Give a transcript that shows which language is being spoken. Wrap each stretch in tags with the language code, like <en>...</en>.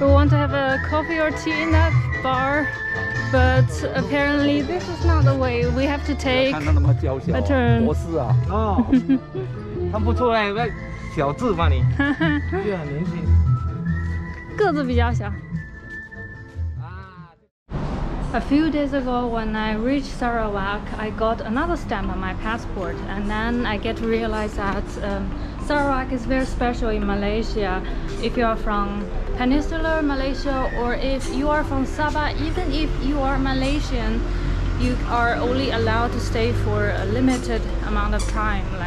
<en>We want to have a coffee or tea in that bar, but apparently this is not the way. We have to take a turn.</en> <zh>博士啊，哦，看不出来，小智嘛你，就很年轻，个子比较小。</zh> <en>A few days ago, when I reached Sarawak, I got another stamp on my passport, and then I get to realize that Sarawak is very special in Malaysia. If you are from Peninsular Malaysia, or if you are from Sabah, even if you are Malaysian, you are only allowed to stay for a limited amount of time.</en>